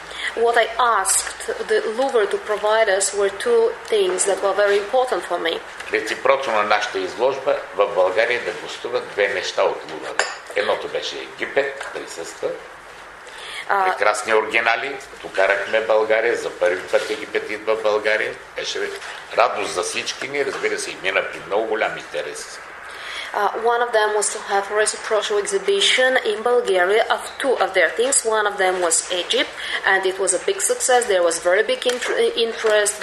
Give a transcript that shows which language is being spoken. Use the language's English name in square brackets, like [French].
[English] What I asked the Louvre to provide us were two things that were very important for me. [Bulgarian] Реципрочно на нашата изложба в България да гостуват две неща от Лувъра. Едното беше Египет, присъства. прекрасни оригинали. Докарахме България, за първи път Египет идва в България. Беше радост за всички ни, разбира се, и мина при много голям интерес. [English] One of them was to have a reciprocal exhibition in Bulgaria of two of their things. One of them was Egypt, and it was a big success. There was very big interest.